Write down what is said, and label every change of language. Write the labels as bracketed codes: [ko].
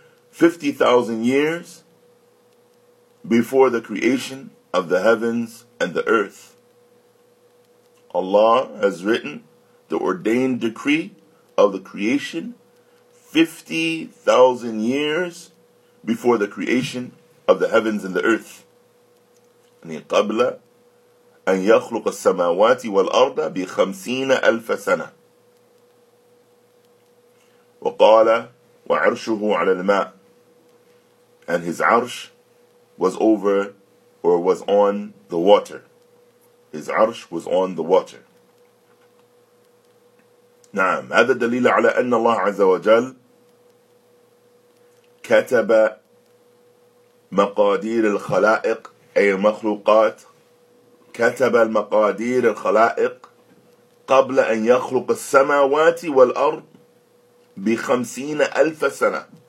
[en] 50,000 years before the creation of the heavens and the earth. Allah has written the ordained decree of the creation 50,000 years before the creation of the heavens and the earth. [ar] قبل أن يخلق السماوات والأرض بخمسين ألف سنة. وقال وعرشه على الماء. [en] And his arsh was over, or was on the water. His arsh was on the water. [ar] نعم. هذا دليل على أن الله عز وجل كتب مقادير الخلائق أي المخلوقات. كتب المقادير الخلائق قبل أن يخلق السماوات والأرض بخمسين ألف سنة.